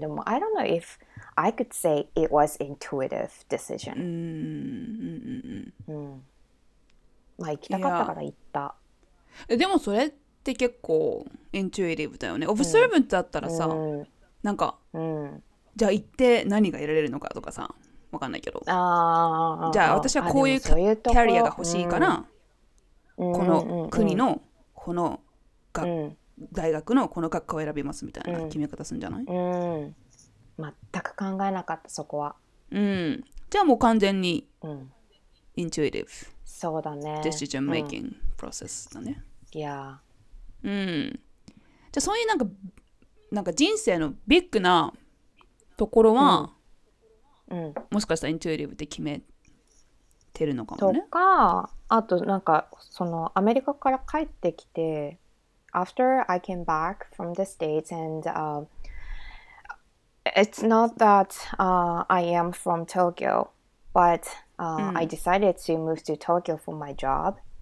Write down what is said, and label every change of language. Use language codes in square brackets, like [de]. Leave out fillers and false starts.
[ja] でも [en] I don't know if I could say it was intuitive decision. [ja] まあ行きたかったから行った。でもそれって結構 intuitive だよね。Observant だったらさ、なんか、じゃあ行って何が得られるのかとかさ、わかんないけど。じゃあ私はこういうキャリアが欲しいから、この国のこの大学のこの学科を選びますみたいな決め方するんじゃない？全く考えなかった、そこは。じゃあもう完全に intuitive、そうだね、 [en] decision making process [ja] だね。いや、じゃあそういうなんか人生のビッグなところは、もしかしたら intuitive で決めてるのかもね。とか、あとなんかそのアメリカから帰ってきて、 [en] After I came back from the States, and it's not that I am from Tokyo, but I decided to move to Tokyo for my job.